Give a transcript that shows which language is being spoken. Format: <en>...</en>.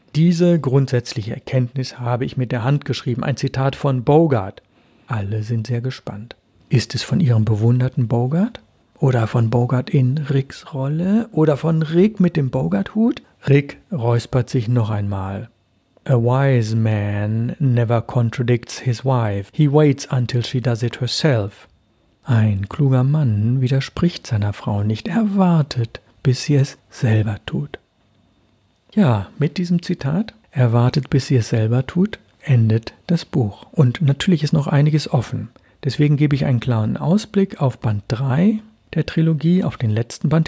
<de>Diese grundsätzliche Erkenntnis habe ich mit der Hand geschrieben, ein Zitat von Bogart. Alle sind sehr gespannt. Ist es von ihrem bewunderten Bogart? Oder von Bogart in Ricks Rolle? Oder von Rick mit dem Bogart-Hut? Rick räuspert sich noch einmal.</de> <en>A wise man never contradicts his wife. He waits until she does it herself.</en> <de>Ein kluger Mann widerspricht seiner Frau nicht. Er wartet, bis sie es selber tut. Ja, mit diesem Zitat, er wartet, bis sie es selber tut, endet das Buch. Und natürlich ist noch einiges offen. Deswegen gebe ich einen klaren Ausblick auf Band 3 der Trilogie, auf den letzten Band.</de>